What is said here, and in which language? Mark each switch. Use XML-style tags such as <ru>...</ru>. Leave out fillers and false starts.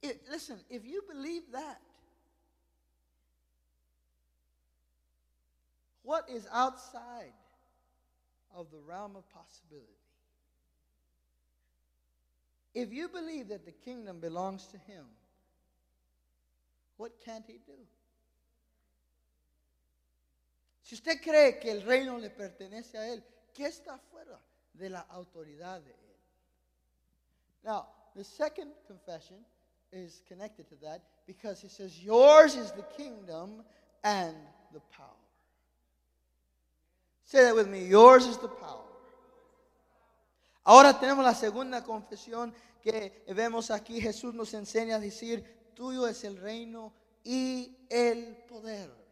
<en>Listen, if you believe that, what is outside of the realm of possibility? If you believe that the kingdom belongs to him, what can't he do?</en> <es>Si usted cree que el reino le pertenece a él, ¿qué está fuera de la autoridad de él?</es> <en>Now, the second confession is connected to that because it says, yours is the kingdom and the power. Say that with me. Yours is the power.</en> <es>Ahora tenemos la segunda confesión que vemos aquí. Jesús nos enseña a decir, tuyo es el reino y el poder.</es>